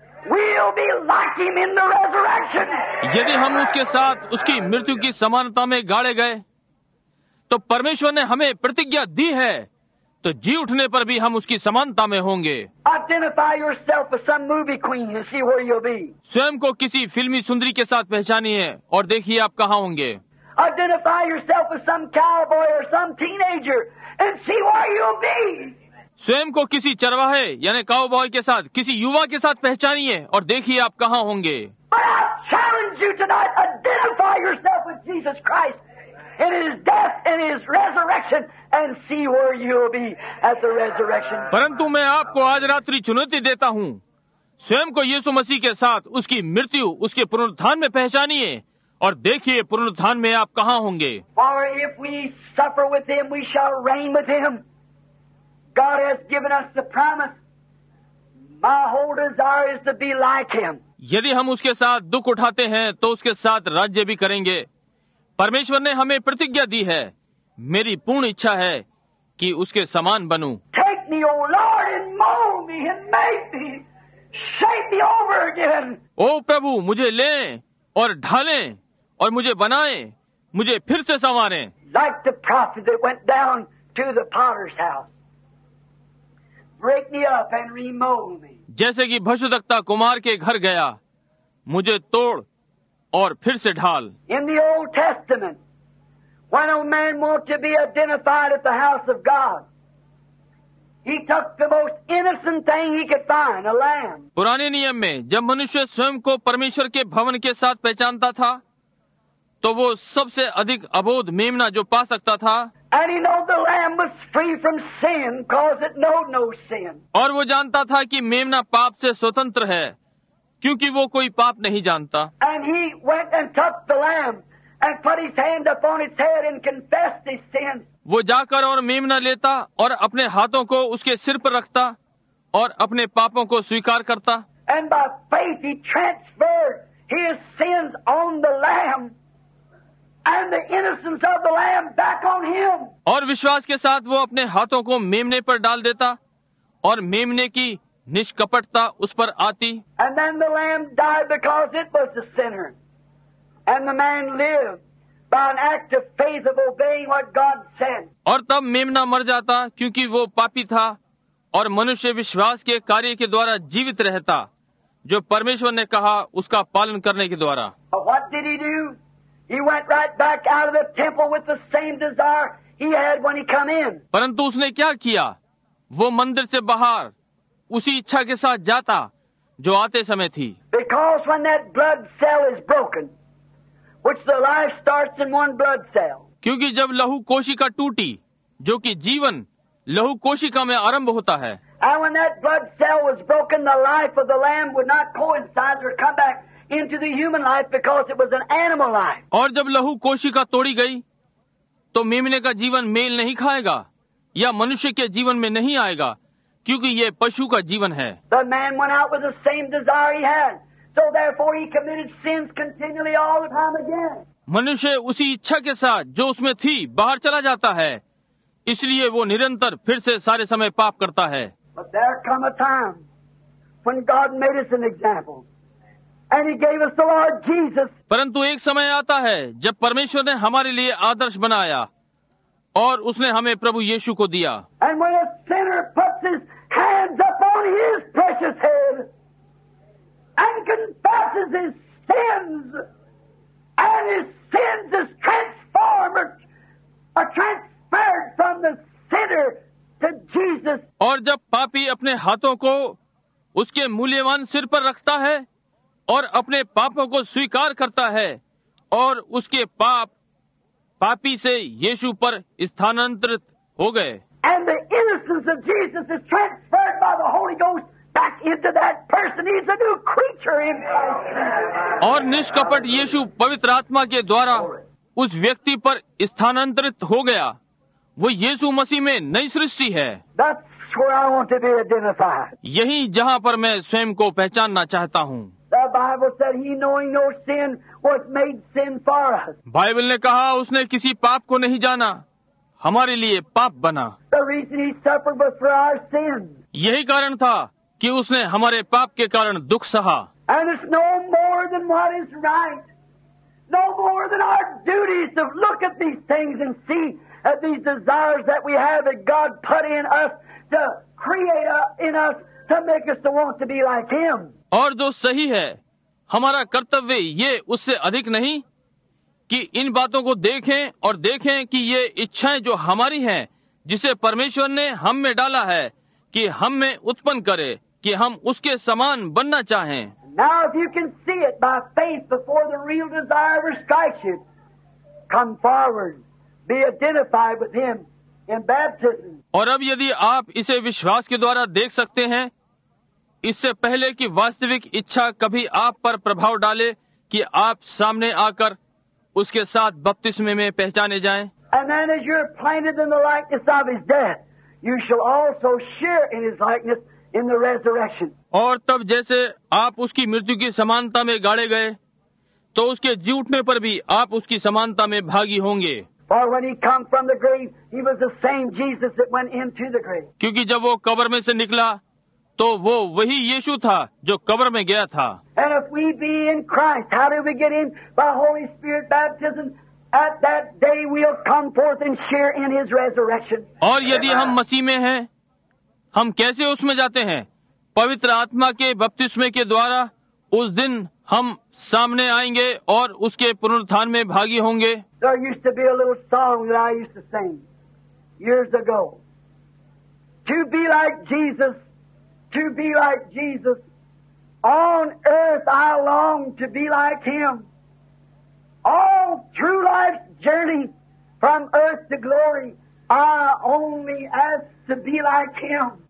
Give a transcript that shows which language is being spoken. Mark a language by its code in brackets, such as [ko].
[en] We'll be like him in the resurrection. [hi] यदि हम उसके साथ उसकी मृत्यु की समानता में गाड़े गए, तो परमेश्वर ने हमें प्रतिज्ञा दी है, तो जी उठने पर भी हम उसकी समानता में होंगे. [en] Identify yourself with some movie queen and see where you'll be. [hi] स्वयं को किसी फिल्मी सुंदरी के साथ पहचानिए और देखिए आप कहाँ होंगे. [en] Identify yourself with some cowboy or some teenager and see where you'll be. [hi] स्वयं को किसी चरवाहे यानी काउबॉय के साथ, किसी युवा के साथ पहचानिए और देखिए आप कहाँ होंगे. [en] But I challenge you tonight, identify yourself with Jesus Christ in his death and his resurrection and see where you'll be at the resurrection. [hi] परंतु मैं आपको आज रात्रि चुनौती देता हूँ, स्वयं को यीशु मसीह के साथ उसकी मृत्यु, उसके पुनरुत्थान में पहचानिए और देखिए पुनरुत्थान में आप कहाँ होंगे. [en] For if we suffer with him, we shall reign with him. God has given us the promise. My whole desire is to be like him. [hi] यदि हम उसके साथ दुख उठाते हैं तो उसके साथ राज्य भी करेंगे. परमेश्वर ने हमें प्रतिज्ञा दी है, मेरी पूर्ण इच्छा है कि उसके समान बनूं. [en] Take me, O Lord, and mold me and make me, shape me over again. [hi] ओ प्रभु, मुझे ले और ढालें और मुझे बनाएं, मुझे फिर से संवारें. [en] Like the prophet that went down to the potter's house, break me up and remold me. [hi] जैसे कि भशुदक्ता कुमार के घर गया, मुझे तोड़ और फिर से ढाल. [en] In the Old Testament, when a man wanted to be identified at the house of God, he took the most innocent thing he could find, a lamb. [hi] पुराने नियम में जब मनुष्य स्वयं को परमेश्वर के भवन के साथ पहचानता था, तो वो सबसे अधिक अबोध मेमना जो पा सकता था. [en] And he knew the lamb was free from sin, cause it knew no sin. [hi] और वो जानता था कि मेमना पाप से स्वतंत्र है, क्योंकि वो कोई पाप नहीं जानता. [en] And he went and took the lamb and put his hand upon its head and confessed his sins. [hi] वो जाकर और मेमना लेता और अपने हाथों को उसके सिर पर रखता और अपने पापों को स्वीकार करता. [en] And by faith he transferred his sins on the lamb and the innocence of the lamb back on him. [hi] और विश्वास के साथ वो अपने हाथों को मेमने पर डाल देता और मेमने की निष्कपटता उस पर आती. [en] And then the lamb died because it was a sinner. And the man lived by an act of faith of obeying what God said. [hi] और तब मेमना मर जाता क्योंकि वो पापी था, और मनुष्य विश्वास के कार्य के द्वारा जीवित रहता जो परमेश्वर ने कहा उसका पालन करने के द्वारा. [en] But what did he do? He went right back out of the temple with the same desire he had when he come in. [hi] परंतु उसने क्या किया? वो मंदिर से बाहर उसी इच्छा के साथ जाता जो आते समय थी. [en] Because when that blood cell is broken, which the life starts in one blood cell. [hi] क्योंकि जब लहू कोशिका टूटी, जो कि जीवन लहू कोशिका में आरंभ होता है. [en] And when that blood cell was broken, the life of the lamb would not coincide or come back into the human life because it was an animal life. [hi] और जब लहू कोशिका तोड़ी गई, तो मेमने का जीवन मेल नहीं खाएगा, या मनुष्य के जीवन में नहीं आएगा, क्योंकि ये पशु का जीवन है। [en] The man went out with the same desire he had. So therefore he committed sins continually all the time again. [hi] मनुष्य उसी इच्छा के साथ जो उसमें थी बाहर चला जाता है, इसलिए वो निरंतर फिर से सारे समय पाप करता है। [en] But there come a time when God made us an example. And he gave us the Lord Jesus. [hi] परंतु एक समय आता है जब परमेश्वर ने हमारे लिए आदर्श बनाया और उसने हमें प्रभु यीशु को दिया। [en] And when a sinner puts his hands upon his precious head and confesses his sins, and his sins is transformed or transferred from the sinner to Jesus. [hi] और जब पापी अपने हाथों को उसके मूल्यवान सिर पर रखता है और अपने पापों को स्वीकार करता है और उसके पाप पापी से यीशु पर स्थानांतरित हो गए, [en] And the innocence of Jesus is transferred by the Holy Ghost back into that person. He's a new creature in [hi] और निष्कपट यीशु पवित्र आत्मा के द्वारा उस व्यक्ति पर स्थानांतरित हो गया। वो यीशु मसीह में नई सृष्टि है। [en] That's where I want to be identified. [hi] यही जहाँ पर मैं स्वयं को पहचानना चाहता हूँ। [en] The Bible said he knowing no sin was made sin for us. [hi] Bible ने कहा उसने किसी पाप को नहीं जाना, हमारे लिए पाप बना। [en] The reason he suffered was for our sin. [hi] यही कारण था कि उसने हमारे पाप के कारण दुख सहा। [en] And it's no more than what is right. No more than our duties to look at these things and see at these desires that we have that God put in us to create in us to make us to want to be like him. [hi] और जो सही है, हमारा कर्तव्य ये उससे अधिक नहीं कि इन बातों को देखें और देखें कि ये इच्छाएं जो हमारी हैं, जिसे परमेश्वर ने हम में डाला है कि हम में उत्पन्न करे, कि हम उसके समान बनना चाहें। [en] Now if you can see it by faith before the real desire ever strikes you, come forward, be identified with him in baptism. [hi] और अब यदि आप इसे विश्वास के द्वारा देख सकते हैं, इससे पहले कि वास्तविक इच्छा कभी आप पर प्रभाव डाले कि आप सामने आकर उसके साथ बपतिस्मे में पहचाने जाएं, [en] And then as you're planted in the likeness of his death, you shall also share in his likeness in the resurrection. [hi] और तब जैसे आप उसकी मृत्यु की समानता में गाड़े गए, तो उसके जी उठने पर भी आप उसकी समानता में भागी होंगे। [en] For when he came from the grave, he was the same Jesus that went into the grave. [hi] क्योंकि जब वो कब्र में से निकला, तो वो वही यीशु था जो कब्र में गया था। [en] And if we be in Christ, how do we get in? By Holy Spirit baptism. At that day we'll come forth and share in his resurrection. [hi] और यदि हम मसीह में हैं, हम कैसे उसमें जाते हैं? पवित्र आत्मा के बपतिस्मे के द्वारा उस दिन हम सामने आएंगे और उसके पुनरुत्थान में भागी होंगे। [en] There used to be a little song that I used to sing years ago. To be like Jesus. To be like Jesus, on earth I long to be like him. All through life's journey, from earth to glory, I only ask to be like him.